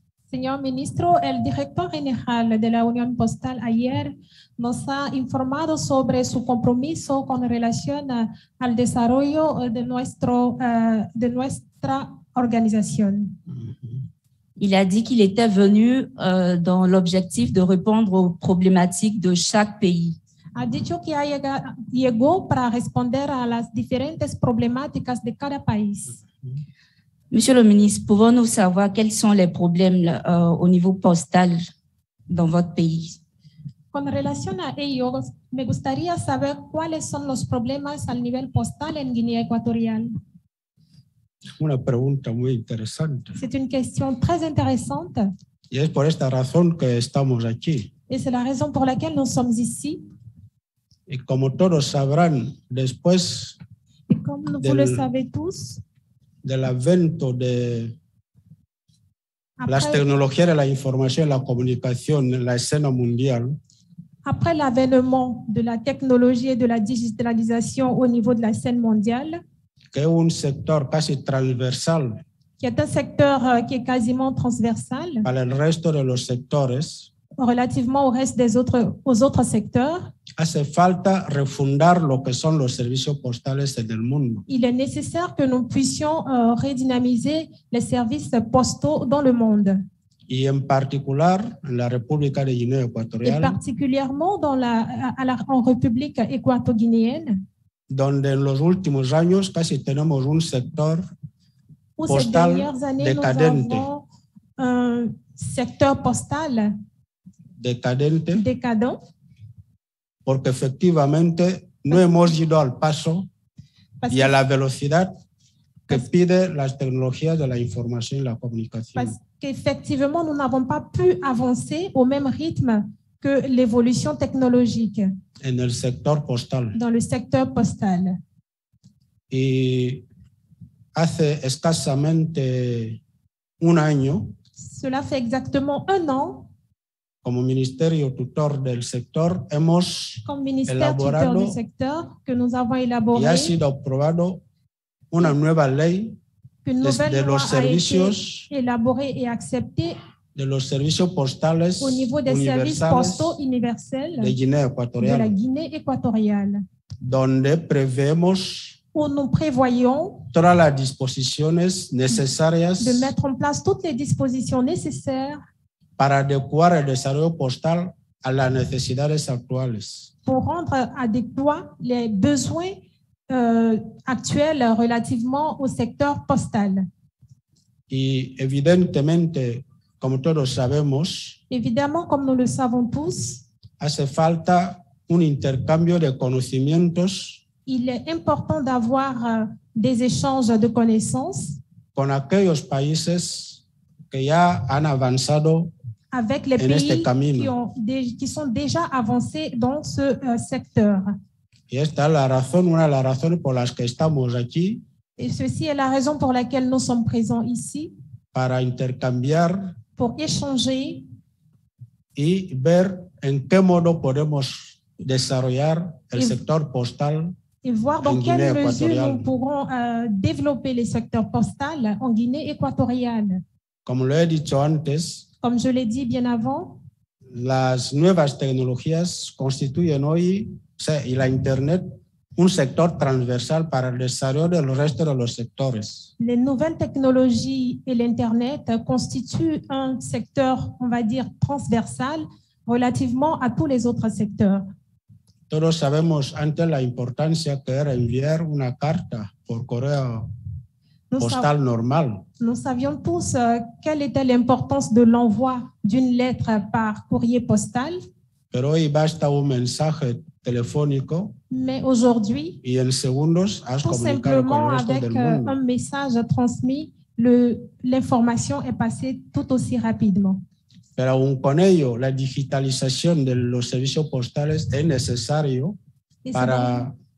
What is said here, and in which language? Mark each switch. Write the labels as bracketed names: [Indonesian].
[Spanish] Señor ministro, el director general de la Unión Postal ayer nos ha informado sobre su compromiso con relación al desarrollo de nuestra organización. [French] Il a dit qu'il était venu dans l'objectif de répondre aux problématiques de chaque pays. [Spanish] Ha dicho que llegó para responder a las diferentes problemáticas de cada país. [French] Monsieur le ministre, pouvons-nous savoir quels sont les problèmes au niveau postal dans votre pays? [Spanish] Con relación a ello, me gustaría saber cuáles son los problemas al nivel postal en Guinea Ecuatorial. Una pregunta muy interesante. [French] C'est une question très intéressante. [Spanish] Y es por esta razón que estamos aquí. [French] Et c'est la raison pour laquelle nous sommes ici. [Spanish] Y como todos sabrán, después [French] y comme vous le savez tous, de l'avènement [Spanish] de la tecnología de la información y la comunicación en la escena mundial. [French] Après l'avènement de la technologie et de la digitalisation au niveau de la scène mondiale, [Spanish] que es un sector casi transversal, [French] qui est un secteur qui est quasiment transversal [Spanish] para el resto de los sectores, [French] relativement au reste des autres, aux autres secteurs. [Spanish] Hace falta refundar lo que son los servicios postales en el mundo. [French] Il est nécessaire que nous puissions redynamiser les services postaux dans le monde. [Spanish] Y en particular en la República de Guinea Ecuatorial. [French] Et particulièrement dans en République équato-guinéenne. [Spanish] Donde en los últimos años casi tenemos un sector postal decadente. [French] Un secteur postal [Spanish] decadente. [French] Décadent. [Spanish] Porque efectivamente no hemos ido al paso y a la velocidad que pide las tecnologías de la información y la comunicación. [French] Parce qu'effectivement nous n'avons pas pu avancer au même rythme que l'évolution technologique. [Spanish] En el sector postal. [French] Dans le secteur postal. [Spanish] Y hace escasamente un año. [French] Cela fait exactement un an. [Spanish] Como ministerio tutor del sector hemos elaborado [French] tutor du secteur, que nous avons élaboré, [Spanish] y ha sido aprobado una nueva ley de los servicios [French] élaborée et acceptée [Spanish] de los servicios postales [French] au niveau des [Spanish] universales [French] services postaux universels [Spanish] de Guinea Ecuatorial, [French] de la Guinée Équatoriale, [Spanish] donde prevemos [French] où nous prévoyons [Spanish] todas las disposiciones necesarias [French] de mettre en place toutes les dispositions nécessaires [Spanish] para adecuar el desarrollo postal a las necesidades actuales. [French] Pour rendre adéquats les besoins actuels relativement au secteur postal. [Spanish] Y evidentemente, como todos sabemos, [French] évidemment, comme nous le savons tous, [Spanish] hace falta un intercambio de conocimientos. [French] Il est important d'avoir des échanges de connaissances [Spanish] con aquellos países que ya han avanzado [French] avec les pays qui sont déjà avancés dans ce secteur. [Spanish] Y esta es la razón, una de las razones por las que estamos aquí. [French] Et ceci est la raison pour laquelle nous sommes présents ici. [Spanish] Para intercambiar. [French] Pour échanger. [Spanish] Y ver en qué modo podemos desarrollar el sector postal. [French] Et voir dans quelle mesure nous pourrons développer les secteurs postal en Guinée équatoriale. [Spanish] Como lo he dicho antes. [French] Comme je l'ai dit bien avant, [Spanish] las nuevas tecnologías constituyen hoy, y la Internet, un sector transversal para el desarrollo del resto de los sectores. [French] Les nouvelles technologies et l'Internet constituent un secteur, on va dire, transversal relativement à tous les autres secteurs. [Spanish] Todos sabemos antes la importancia que era enviar una carta por correo. [French] postale normale. Nous savions tous quelle était l'importance de l'envoi d'une lettre par courrier postal. [Spanish] Pero hoy basta un mensaje telefónico. [French] Mais aujourd'hui, [Spanish] y en segundos, has [French] tout simplement avec un message transmis, l'information est passée tout aussi rapidement. [Spanish] Pero aún con ello, la digitalización de los servicios postales es necesario para...